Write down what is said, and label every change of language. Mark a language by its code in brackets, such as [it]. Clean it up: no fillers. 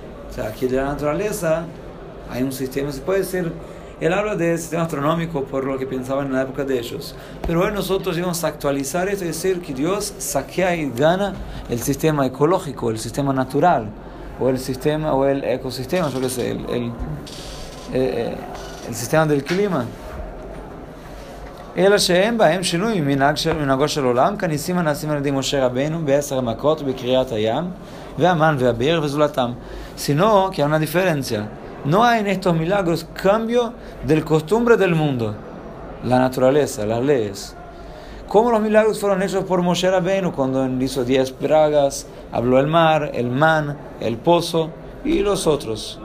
[es] O sea, aquí de la naturaleza hay un sistema. Se puede decir, él habla de sistema astronómico por lo que pensaban en la época de ellos. Pero hoy nosotros íbamos a actualizar esto y decir que Dios saquea y gana el sistema ecológico, el sistema natural, o el sistema, o el ecosistema, yo qué sé, el sistema del clima. [he] אלא שהם בהם שינוי מנהג של מנהגו של עולם כניסים הנעשים על ידי משה רבנו בעשר המכות בקריאת הים והמן והביר וזולתם [es] sino que hay una diferencia. No hay en estos milagros cambio del costumbre del mundo, la naturaleza, las leyes. Como los milagros fueron hechos por Moshe Rabbeinu cuando hizo 10 plagas, habló el mar, el man, el pozo y los otros.